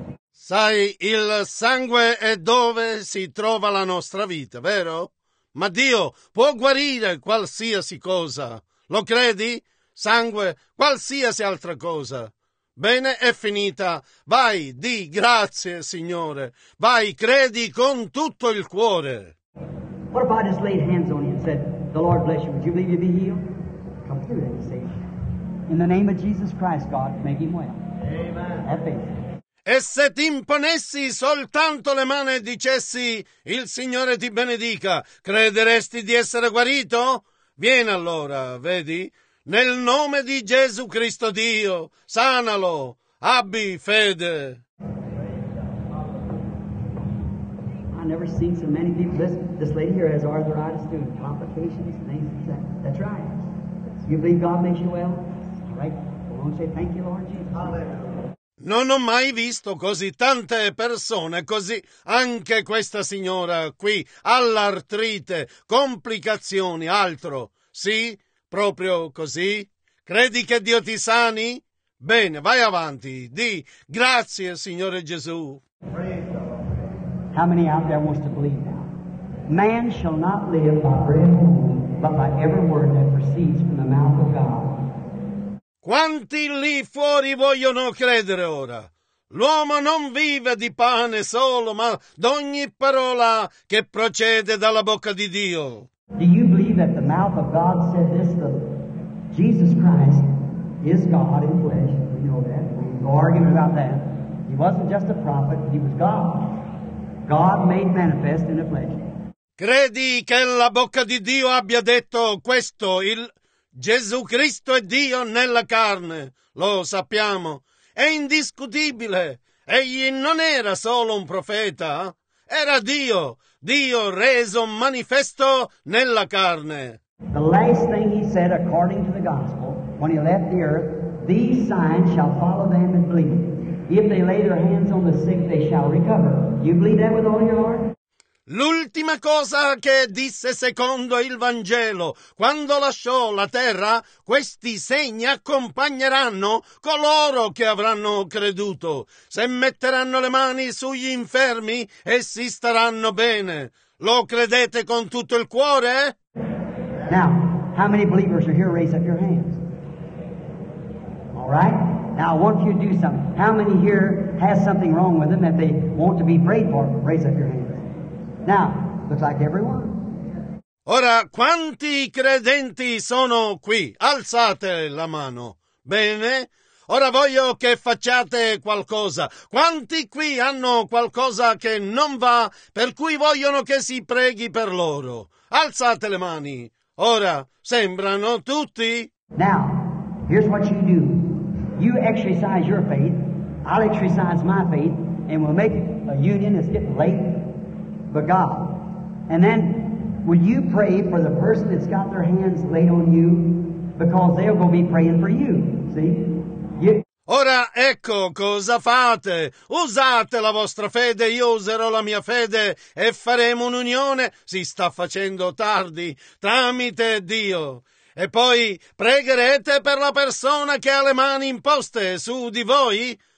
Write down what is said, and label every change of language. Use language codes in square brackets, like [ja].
[it] Sai, il sangue è dove si trova la nostra vita, vero? Ma Dio può guarire qualsiasi cosa. Lo credi? Sangue, qualsiasi altra cosa. Bene, è finita. Vai, di grazie, Signore. Vai, credi con tutto il cuore. [en] What if I just laid hands on you and said, the Lord bless you, would you believe you'd be healed? Come through that, you say. In the name of Jesus Christ, God, make him well. Amen. Have faith. [it] E se ti imponessi soltanto le mani e dicessi, il Signore ti benedica, crederesti di essere guarito? Vieni allora, vedi, nel nome di Gesù Cristo Dio, sanalo, abbi fede. [en] I've never seen so many people. This lady here has arthritis too, complications, things. That's right. You believe God makes you well? All right. Go on, say thank you, Lord Jesus. Hallelujah. [it] Non ho mai visto così tante persone, così anche questa signora qui, all'artrite, complicazioni, altro. Sì, proprio così. Credi che Dio ti sani? Bene, vai avanti, di grazie, Signore Gesù. [en] How many out there wants to believe now? Man shall not live by bread alone, but by every word that proceeds from the mouth of God. [it] Quanti lì fuori vogliono credere ora? L'uomo non vive di pane solo, ma d'ogni parola che procede dalla bocca di Dio. [en] Do you believe that the mouth of God said this? That Jesus Christ is God in flesh. We know that. No argument about that. He wasn't just a prophet, he was God. God made manifest in the flesh. [it] Credi che la bocca di Dio abbia detto questo, il Gesù Cristo è Dio nella carne, lo sappiamo, è indiscutibile, egli non era solo un profeta, era Dio, Dio reso manifesto nella carne. [en] The last thing he said according to the gospel, when he left the earth, these signs shall follow them and believe. If they lay their hands on the sick, they shall recover. You believe that with all your heart? [it] L'ultima cosa che disse secondo il Vangelo, quando lasciò la terra, questi segni accompagneranno coloro che avranno creduto. Se metteranno le mani sugli infermi, essi staranno bene. Lo credete con tutto il cuore? [en] Now, how many believers are here? Raise up your hands. All right. Now, I want you to do something. How many here has something wrong with them that they want to be prayed for? Raise up your hands. Now, looks like everyone. [it] Ora, quanti credenti sono qui? Alzate la mano. Bene. Ora voglio che facciate qualcosa. Quanti qui hanno qualcosa che non va, per cui vogliono che si preghi per loro? Alzate le mani. Ora, sembrano tutti. [en] Now, here's what you do. You exercise your faith, I'll exercise my faith, and we'll make a union. It's getting late. But God. And then, will you pray for the person that's got their hands laid on you? Because they're going to be praying for you. See? You. [it] Ora, ecco cosa fate. Usate la vostra fede, io userò la mia fede e faremo un'unione. Si sta facendo tardi, tramite Dio. E poi pregherete per la persona che ha le mani imposte su di voi?